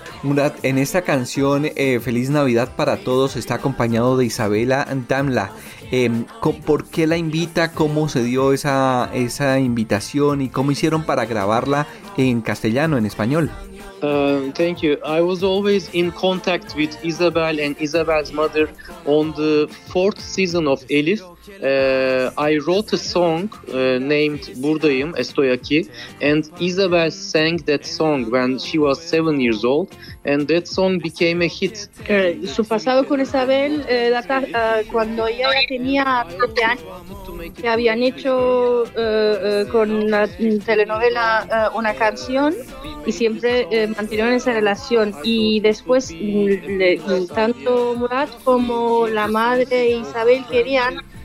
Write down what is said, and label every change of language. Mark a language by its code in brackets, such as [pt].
[es] Murat, en esta canción, Feliz Navidad para Todos, está acompañado de Isabela Damla. ¿Por qué la invita? ¿Cómo se dio esa invitación? ¿Y cómo hicieron para grabarla en castellano, en español? [en] Thank you. I was always in contact with Isabel and Isabel's mother on the 4th season of Elif. I wrote a song named Buradayım, Estoy Aquí, and Isabel sang that song when she was 7 years old, and that song became a hit. [es] Su pasado con Isabel data cuando ella tenía 7 años, que habían hecho con la telenovela una canción, y siempre mantuvieron esa relación. Y después tanto Murat como la madre Isabel querían